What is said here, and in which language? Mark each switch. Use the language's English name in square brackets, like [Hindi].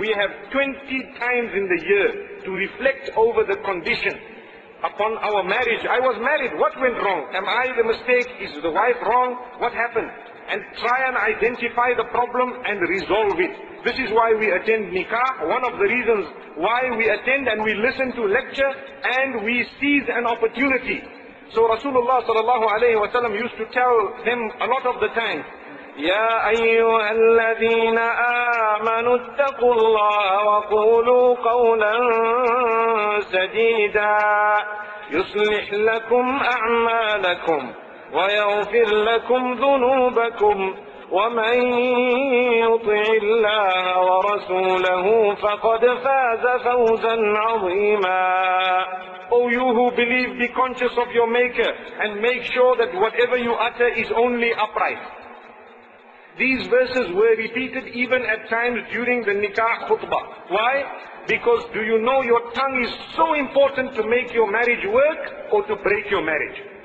[English] We have 20 times in the year to reflect over the condition upon our marriage. I was married. What went wrong? Am I the mistake? Is the wife wrong? What happened? and try and identify the problem and resolve it. This is why we attend nikah, one of the reasons why we attend and we listen to lecture and we seize an opportunity. So Rasulullah sallallahu alayhi wa sallam used to tell them a lot of the time, [Arabic] يَا أَيُّهَا الَّذِينَ آمَنُوا اتَّقُوا اللَّهَ وَقُولُوا قَوْلًا سَدِيدًا يُصْلِحْ لَكُمْ أَعْمَالَكُمْ وَيَغْفِرْ لَكُمْ ذُنُوبَكُمْ وَمَنْ يُطِعِ اللَّهَ وَرَسُولَهُ فَقَدْ فَازَ فَوْزًا عَظِيمًا. [English] O you who believe, be conscious of your Maker and make sure that whatever you utter is only upright. These verses were repeated even at times during the nikah khutbah. Why? Because do you know your tongue is so important to make your marriage work or to break your marriage?